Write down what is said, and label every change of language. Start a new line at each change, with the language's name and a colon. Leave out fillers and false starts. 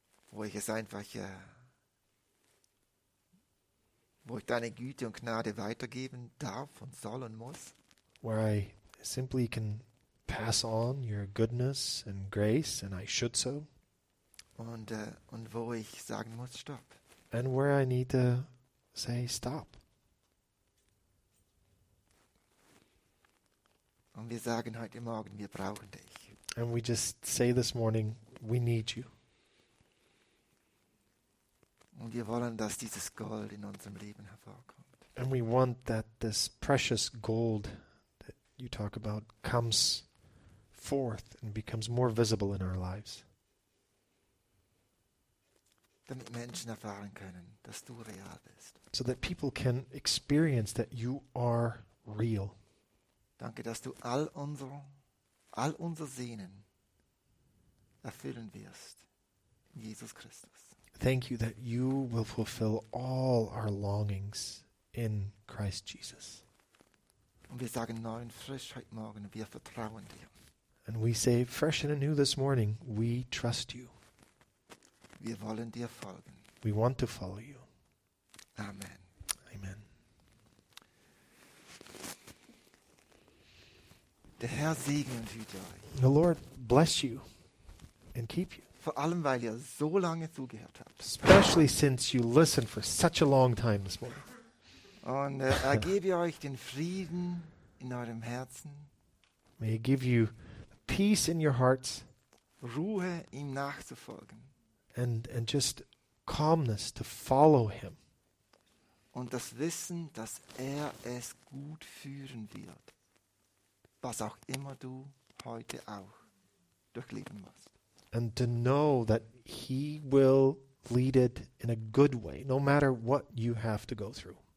German: Wo ich es einfach, wo ich deine Güte und Gnade weitergeben darf und soll und muss.
English: where I simply can pass on your goodness and grace, and I should so.
German: Und wo ich sagen muss, stopp.
English: And where I need to say stop.
German: Und wir sagen heute Morgen, wir brauchen dich.
English: And we just say this morning, we need you.
German: Und wir wollen, dass dieses Gold in unserem Leben hervorkommt.
English: And we want that this precious gold that you talk about comes forth and becomes more visible in our lives.
German: Damit Menschen erfahren können, dass du real bist.
English: So that people can experience that you are real.
German: Danke, dass du all unser Sehnen erfüllen wirst in Jesus Christus.
English: Thank you that you will fulfill all our longings in Christ Jesus.
German: Und wir sagen neu und frisch heute Morgen, wir vertrauen dir.
English: And we say fresh and anew this morning, we trust you.
German: Wir wollen dir folgen.
English: We want to follow you. Amen. Amen.
German: Der Herr segne und hüte euch.
English: The Lord bless you and keep you.
German: Vor allem, weil ihr so lange zugehört habt.
English: Especially since you listened for such a long time this morning.
German: Und er gebe euch den Frieden in eurem Herzen.
English: May he give you peace in your hearts.
German: Ruhe, ihm nachzufolgen.
English: And just calmness to follow him.
German: Und das Wissen, dass er es gut führen wird. Was auch immer du heute auch durchleben musst.
English: And to know that he will lead it in a good way, no matter what you have to go through.